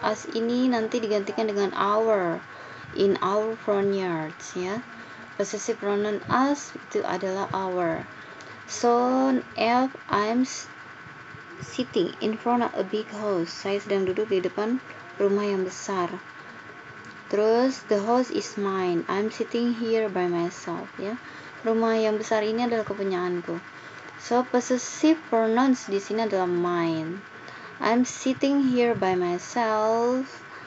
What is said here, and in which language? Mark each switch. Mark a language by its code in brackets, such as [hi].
[id] Us ini nanti digantikan dengan our. [en] In our front yard [id] ya. Possessive pronoun us itu adalah our. [en] So F, I'm sitting in front of a big house. [id] Saya sedang duduk di depan rumah yang besar. Terus [en] the house is mine. I'm sitting here by myself [id] ya. Rumah yang besar ini adalah kepunyaanku. So possessive pronouns di sini adalah mine. [en] I'm sitting here by myself.